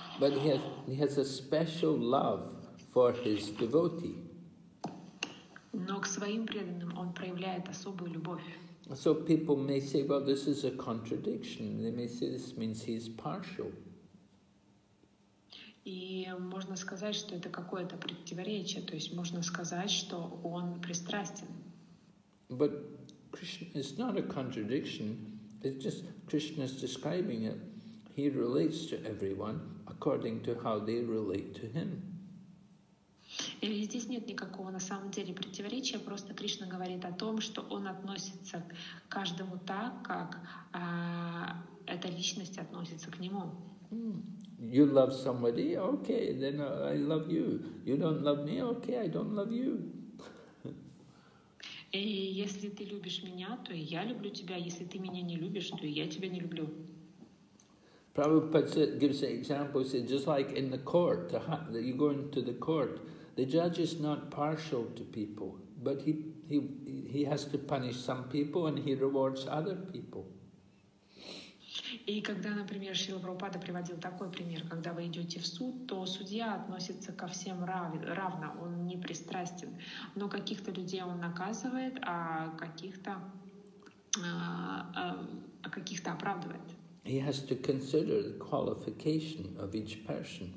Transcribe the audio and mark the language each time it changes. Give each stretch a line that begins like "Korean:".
English: But he has a special love for his devotee.
Russian: Но к своим преданным он проявляет особую любовь.
English: So people may say, well, this is a contradiction. They may say this means he's partial.
Russian: И можно сказать, что это какое-то противоречие. То есть можно сказать, что он пристрастен.
English: But Krishna is not a contradiction. It's just Krishna's describing it. He relates to everyone according to how they relate to him.
Russian: Или здесь нет никакого на самом деле противоречия, просто Кришна говорит о том, что он относится к каждому так, как эта личность относится к нему.
English: You love somebody, okay, then I love you. You don't love me, okay, I don't love you.
Russian: И если ты любишь меня, то я люблю тебя. Если ты меня не любишь, то я тебя не люблю.
English: Prabhupada gives an example. He says, just like in the court, that you go into the court, the judge is not partial to people, but he has to punish some people and he rewards other people.
Russian: И когда, например, Шрила Прабхупада приводил такой пример, когда вы идете в суд, то судья относится ко всем равно, он не пристрастен. Но каких-то людей он наказывает, а каких-то оправдывает.
English: He has to consider the qualification of each person.